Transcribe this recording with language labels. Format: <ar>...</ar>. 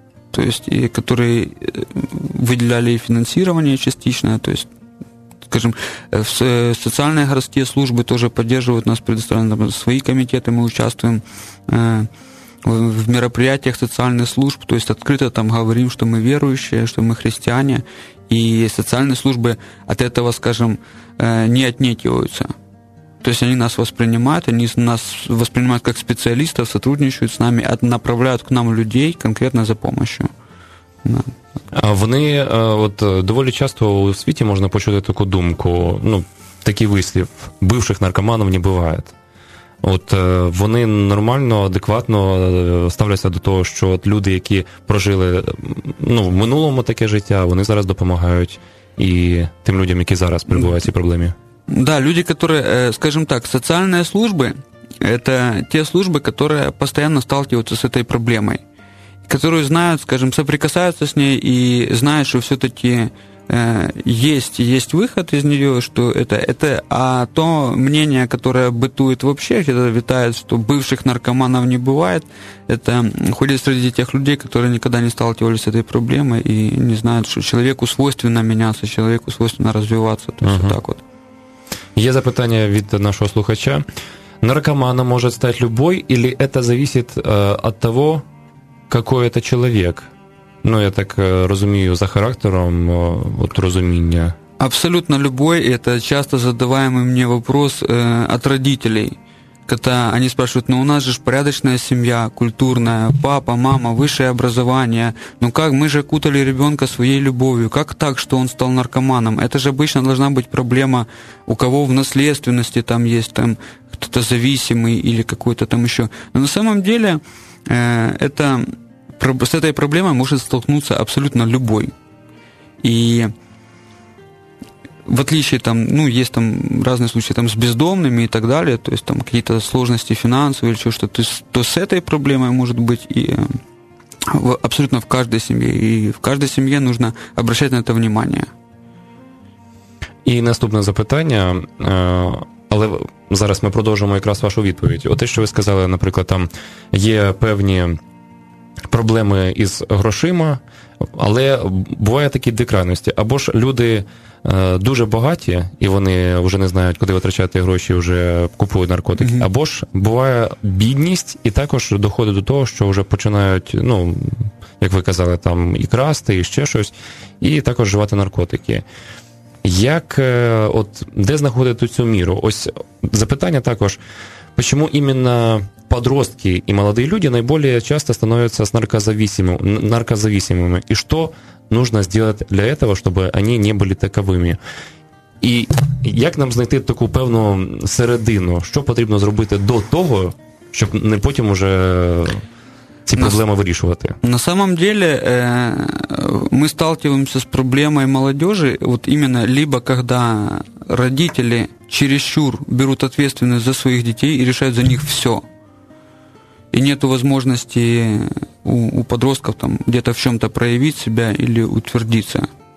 <ru>То есть, и которые выделяли финансирование частично, то есть, скажем, социальные городские службы тоже поддерживают нас, предоставлены свои комитеты, мы участвуем в мероприятиях социальных служб, то есть открыто там говорим, что мы верующие, что мы христиане, и социальные службы от этого, скажем, не отнекиваются. То есть они нас воспринимают, они нас воспринимают как специалистов, сотрудничают с нами, направляют к нам людей конкретно за помощью. Да.</ru> <uk>А вони, от доволі часто у світі можна почути таку думку, ну, такий вислів,</uk> <ru>бывших наркоманов не бывает.</ru> <uk>От вони нормально, адекватно ставляться до того, що от люди, які прожили, ну, в минулому таке життя, вони зараз допомагають і тим людям, які зараз перебувають в цій проблемі.</uk> <ru>Да, люди, которые, скажем так, социальные службы, это те службы, которые постоянно сталкиваются с этой проблемой, которые знают, скажем, соприкасаются с ней и знают, что все-таки есть выход из нее, что это, а то мнение, которое бытует вообще, это витает, что бывших наркоманов не бывает, это ходит среди тех людей, которые никогда не сталкивались с этой проблемой и не знают, что человеку свойственно меняться, человеку свойственно развиваться. То есть угу. Так вот.</ru> <uk>Є запитання від нашого слухача.</uk> <ru>Наркоманом</ru> <uk>може стати</uk> <ru>любой, или это зависит от того, какой это человек?</ru> <uk>Ну, я так розумію, за характером от розуміння.</uk> <ru>Абсолютно любой, и это часто задаваемый мне вопрос от родителей. Когда они спрашивают, ну у нас же порядочная семья, культурная, папа, мама, высшее образование. Ну как, мы же окутали ребенка своей любовью. Как так, что он стал наркоманом? Это же обычно должна быть проблема, у кого в наследственности там есть там кто-то зависимый или какой-то там еще. Но на самом деле это, с этой проблемой может столкнуться абсолютно любой. И в отличие там, ну, есть там разные случаи там с бездомными и так далее, то есть там какие-то сложности финансовые или еще что-то, то с этой проблемой может быть и абсолютно в каждой семье. И в каждой семье нужно обращать на это внимание.</ru> <uk>И наступное запитание. Але зараз ми продовжимо якраз вашу відповідь. От те, що ви сказали, наприклад, там є певні проблеми із грошима, але бувають такі дві крайності. Або ж люди дуже багаті, і вони вже не знають, куди витрачати гроші, вже купують наркотики. Угу. Або ж буває бідність, і також доходить до того, що вже починають, ну, як ви казали, там і красти, і ще щось, і також вживати наркотики. Як, от, де знаходити цю міру? Ось запитання також, чому іменно подростки і молоді люди найбільше часто становяться наркозависимими?</uk> <ru>І що нужно сделать для этого, чтобы они не были таковыми?</ru> <uk>И як нам знайти таку певну середину? Що потрібно зробити до того, щоб не потім уже ці проблеми вирішувати?</uk> <ru>На самом деле мы сталкиваемся с проблемой молодежи, вот именно либо когда родители чересчур берут ответственность за своих детей и решают за них все. И нету возможности у подростков там где-то в чем-то проявить себя или утвердиться.</ru>